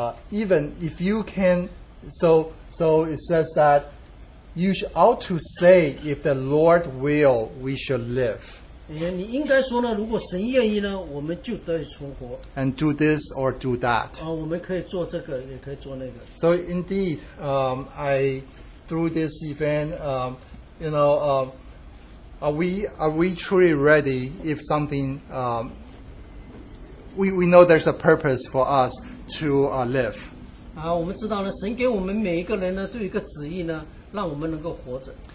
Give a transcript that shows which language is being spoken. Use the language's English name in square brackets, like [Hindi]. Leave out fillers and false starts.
[English] even if you can, so it says that you ought to say, if the Lord will, we shall live. [Chinese] 你应该说呢，如果神愿意呢，我们就得以存活。 [English] And do this or do that. [Chinese] 我们可以做这个，也可以做那个。 [English] So indeed, I through this event, you know, are we truly ready if something, we know there's a purpose for us to live. [Chinese] 我们知道呢，神给我们每一个人呢，都有一个旨意呢，让我们能够活着。